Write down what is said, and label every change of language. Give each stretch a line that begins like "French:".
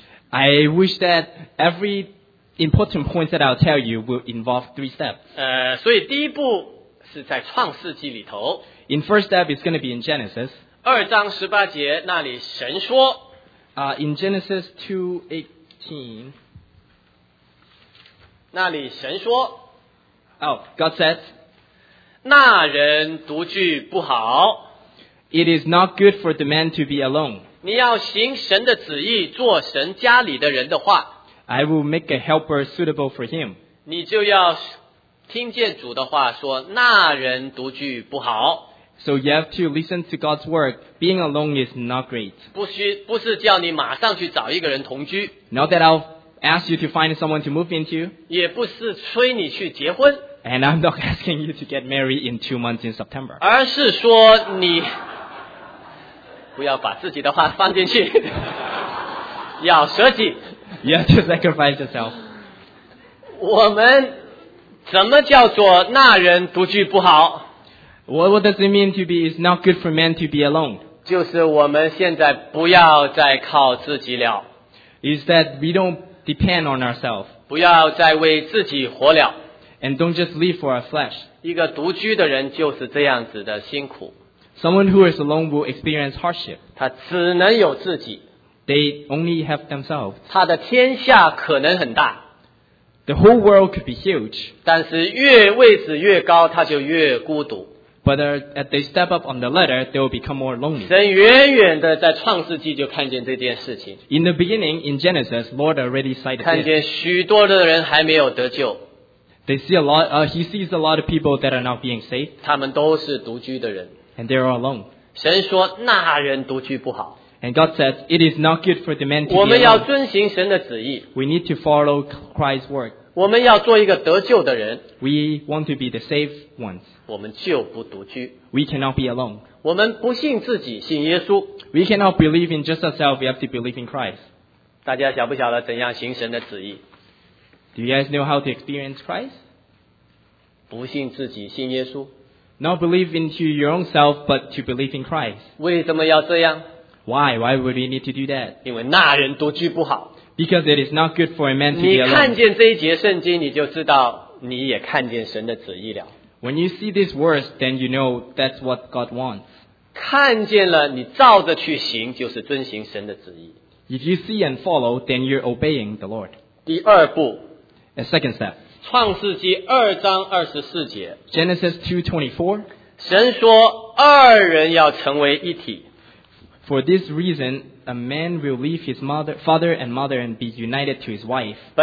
English: I wish that every important point that I'll tell you will involve three steps.
Chinese: 所以第一步是在创世纪里头。
English: In first step, it's going to be in Genesis.
Chinese: 2章18节那里神说。
English: In Genesis 2:18,
Chinese: 那里神说。
English: Oh, God said.
Chinese: 那人独居不好,
English: it is not good for the man to be alone.
Chinese: 你要行神的旨意, 做神家里的人的话,
English: I will make a helper suitable for him.
Chinese: 你就要听见主的话, 说, 那人独居不好,
English: so you have to listen to God's word. Being alone is not great.
Chinese: 不是叫你马上去找一个人同居,
English: not that I'll ask you to find someone to move into.
Chinese: 也不是催你去结婚,
English: and I'm not asking you to get married in 2 months in September.
Chinese: 而是说你, 不要把自己的话放进去, 要舍己,
English: you have to sacrifice yourself.
Chinese: 我们怎么叫做那人独居不好?
English: What does it mean to be it's not good for men to be alone?
Chinese: 就是我们现在不要再靠自己了。
English: Is that we don't depend on ourselves.
Chinese: 不要再为自己活了。
English: And don't just live for our flesh.
Chinese: 一个独居的人就是这样子的辛苦。
English: Someone who is alone will experience hardship.
Chinese: 他只能有自己。
English: They only have themselves.
Chinese: 他的天下可能很大。
English: The whole world could be huge.
Chinese: 但是越位置越高, 他就越孤独。
English: But as they step up on the ladder, they will become more lonely.
Chinese: 神远远地在创世纪就看见这件事情。
English: In the beginning, in Genesis, Lord already sighted this.
Chinese: 看见许多的人还没有得救。
English: They see a lot, he sees a lot of people that are not being saved.
Chinese: 他们都是独居的人。
English: And they are alone.
Chinese: 神说那人独居不好。
English: And God says, it is not good for the man to be alone.
Chinese: 我们要遵行神的旨意。
English: We need to follow Christ's word.
Chinese: 我们要做一个得救的人。
English: We want to be the saved ones.
Chinese: 我们就不独居。
English: We cannot be alone.
Chinese: 我们不信自己信耶稣。
English: We cannot believe in just ourselves, we have to believe in Christ.
Chinese: 大家晓不晓得怎样行神的旨意?
English: Do you guys know how to experience Christ?
Chinese: 不信自己信耶稣。
English: Not believe into your own self, but to believe in Christ.
Chinese: 为什么要这样?
English: Why would we need to do that?
Chinese: 因为那人独居不好。
English: Because it is not good for a man to be alone.
Chinese: 你看见这一节圣经, 你就知道你也看见神的旨意了。
English: When you see this verse, then you know that's what God wants.
Chinese: 看见了, 你照着去行, 就是遵行神的旨意。
English: If you see and follow, then you're obeying the Lord.
Chinese: 第二步,
English: a second step.
Chinese: 创世纪2章24节,
English: Genesis 2:24.
Chinese: 神说二人要成为一体。
English: For this reason, a man will leave his mother, father and mother and be united to his wife.